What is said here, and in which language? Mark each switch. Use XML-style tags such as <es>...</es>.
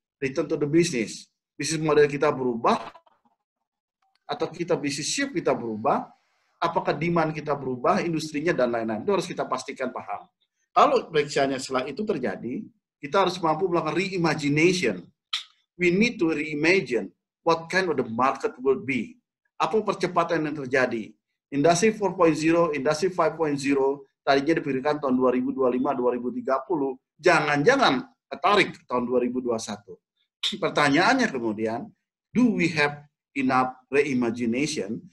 <en>Return to the business.</en> <id>Business model kita berubah, atau kita business shift kita berubah, apakah demand kita berubah, industrinya, dan lain-lain. Itu harus kita pastikan paham. Kalau periksaannya setelah itu terjadi, kita harus mampu melakukan reimagination.</id> <en>We need to reimagine what kind of the market will be.</en> <id>Apa percepatan yang terjadi? Industri 4.0, industri 5.0, tadinya diperkirakan tahun 2025-2030, jangan-jangan ketarik tahun 2021. Pertanyaannya kemudian,</id> <en>do we have enough reimagination?</en>